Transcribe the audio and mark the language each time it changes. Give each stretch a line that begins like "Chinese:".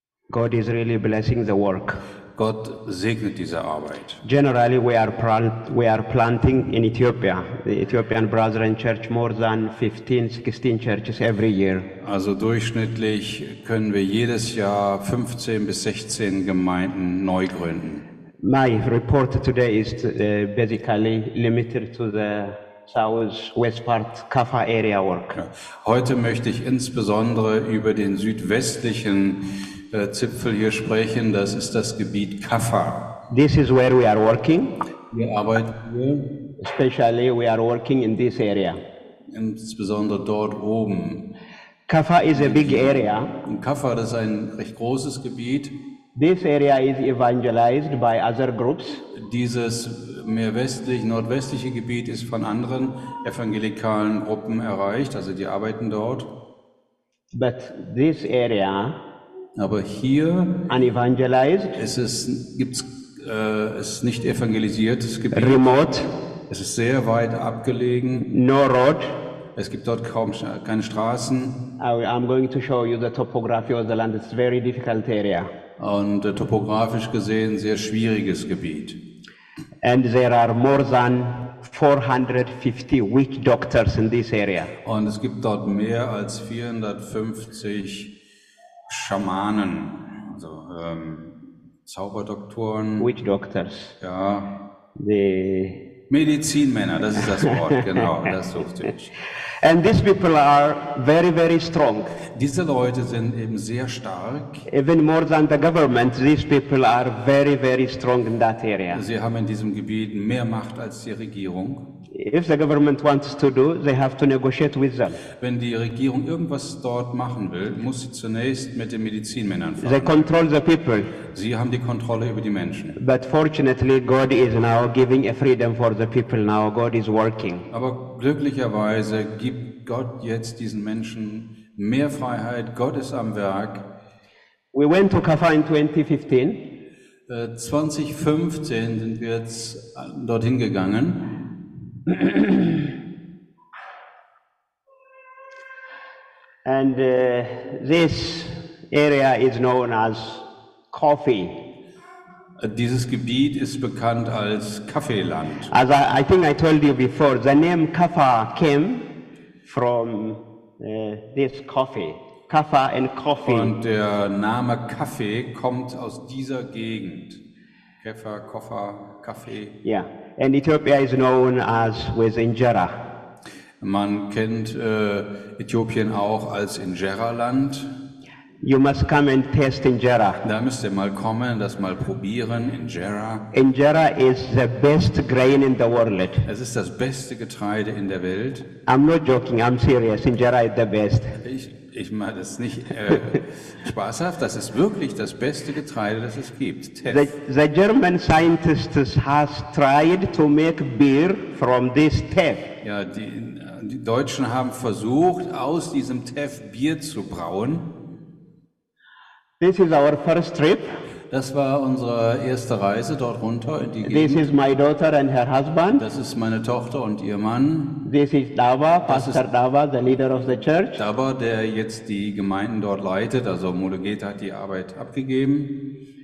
English: God is really blessing the work.
German: Gott segnet diese Arbeit.
English: Generally, we are planting in Ethiopia, the Ethiopian Brethren Church, more than 15, 16 churches every year.
German: Also durchschnittlich können wir jedes Jahr 15 bis 16 Gemeinden neu gründen.
English: My report today is basically limited to the southwest part Kaffa area work.
German: Heute möchte ich insbesondere über den südwestlichen Zipfel hier sprechen, das ist das Gebiet Kaffa.
English: This is where we are working.
German: Wir arbeiten hier.
English: Especially we are working in this area.
German: Insbesondere dort oben.
English: Kaffa is a big area.
German: Und Kaffa, das ist ein recht großes Gebiet.
English: This area is evangelized by other groups.
German: Dieses mehr westlich, nordwestliche Gebiet ist von anderen evangelikalen Gruppen erreicht, also die arbeiten dort.
English: But this area,
German: aber hier
English: unevangelized,
German: ist nicht evangelisiert, das Gebiet.
English: Remote,
German: es ist sehr weit abgelegen.
English: No road.
German: Es gibt dort kaum keine Straßen.
English: I'm going to show you the topography of the land. It's a very difficult area.
German: Und topografisch gesehen sehr schwieriges Gebiet.
English: And there are more than 450 witch doctors in this area.
German: Und es gibt dort mehr als 450 Schamanen, also Zauberdoktoren.
English: Witch doctors.
German: Ja.
English: The
German: Medizinmänner, das ist das Wort, genau, das suchte ich.
English: And these people are very, very strong.
German: Diese Leute sind eben sehr stark.
English: Even more than the government, these people are very, very strong in that area.
German: Sie haben in diesem Gebiet mehr Macht als die Regierung.
English: If the government wants to do, they have to negotiate with them.
German: Wenn die Regierung irgendwas dort machen will, muss sie zunächst mit den Medizinmännern verhandeln.
English: They control the people.
German: Sie haben die Kontrolle über die Menschen.
English: But fortunately, God is now giving a freedom for the people. Now God is working.
German: Aber glücklicherweise gibt Gott jetzt diesen Menschen mehr Freiheit. Gott ist am Werk.
English: We went to Kaffa in 2015.
German: 2015 sind wir jetzt dorthin gegangen.
English: And this area is known as coffee.
German: Dieses Gebiet ist bekannt als Kaffeeland.
English: As I think I told you before, the name Kaffa came from this coffee. Kaffa and coffee.
German: Und der Name Kaffee kommt aus dieser Gegend. Kaffa, Koffa, Kaffee.
English: Yeah. And Ethiopia is known as with Injera.
German: Man kennt Äthiopien auch als Injera-Land.
English: You must come and taste Injera.
German: Da müsst ihr mal kommen, das mal probieren, Injera.
English: Injera is the best grain in the world.
German: Es ist das beste Getreide in der Welt.
English: I'm not joking, I'm serious. Injera is the best.
German: Ich meine das nicht spaßhaft, das ist wirklich das beste Getreide, das es gibt.
English: The German scientists has tried to make beer from this teff.
German: Ja, die Deutschen haben versucht, aus diesem Teff Bier zu brauen.
English: This is our first trip.
German: Das war unsere erste Reise dort runter in die Gegend.
English: This is my daughter and her husband.
German: Das ist meine Tochter und ihr Mann.
English: This is Dava, Pastor Dava, the leader of the church.
German: Dava, der jetzt die Gemeinden dort leitet, also Mulugeta hat die Arbeit abgegeben.